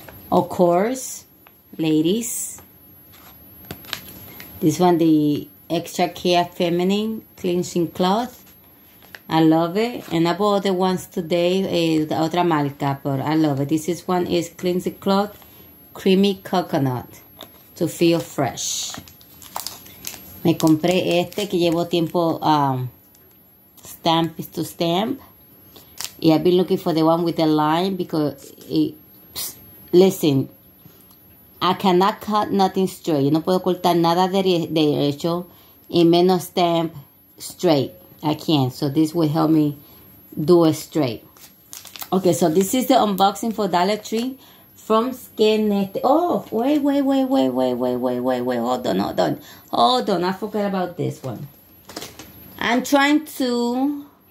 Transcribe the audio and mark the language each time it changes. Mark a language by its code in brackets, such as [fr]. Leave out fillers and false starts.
[en] Of course, ladies. This one, the Extra Care Feminine Cleansing Cloth. I love it. And I bought the ones today, the [es] otra marca, [en] but I love it. This one is Cleansing Cloth Creamy Coconut to Feel Fresh. [es] Me compré este que llevo tiempo, [en] stamp to stamp. Y I've been looking for the one with the line because, listen, I cannot cut nothing straight. [es] Yo no puedo cortar nada de derecho y menos [en] stamp straight. I can't. So this will help me do it straight. Okay, so this is the unboxing for Dollar Tree from Skinnet. Oh, wait. Hold on. I forgot about this one. I'm trying to...